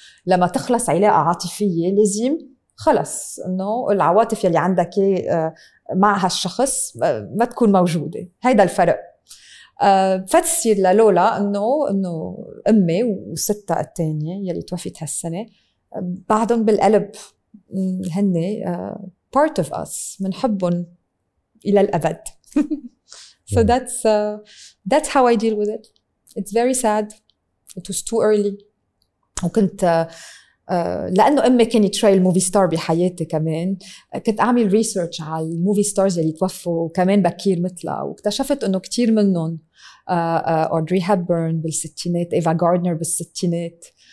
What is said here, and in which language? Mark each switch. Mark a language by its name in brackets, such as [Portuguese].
[Arabic] لما تخلص علاقه عاطفيه لازم خلص انه العواطف اللي عندك مع هالشخص ما تكون موجوده. هيدا الفرق. فتصير لولا انه امي وستة التانية يلي توفيت هالسنه بعدهم بالقلب، هن [English] part of us، [Arabic] منحبهم الى الابد. [English] So that's how I deal with it. It's very sad. It was too early. [Arabic] وكنت لانه امي كانت تريل موفي ستار بحياتي كمان، كنت اعمل ريسيرش على الموفي ستارز اللي توفوا كمان بكير مثلها، واكتشفت انه كثير منهم اودري هابرن بالستينات، ايفا جاردنر بالستينات.